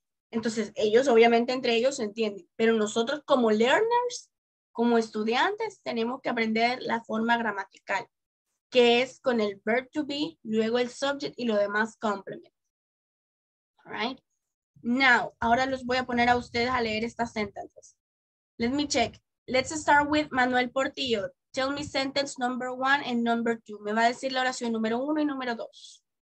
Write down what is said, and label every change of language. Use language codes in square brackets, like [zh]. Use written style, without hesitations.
[es] Entonces, ellos obviamente entre ellos entienden. Pero nosotros como [en] learners, [es] como estudiantes, tenemos que aprender la forma gramatical, que es con el verb to be, luego el subject y lo demás complement, [en] right? Now, [es] ahora los voy a poner a ustedes a leer estas [en] sentences. Let me check. Let's start with Manuel Portillo. Tell me sentence number one and number two. [es] Me va a decir la oración número uno y número dos.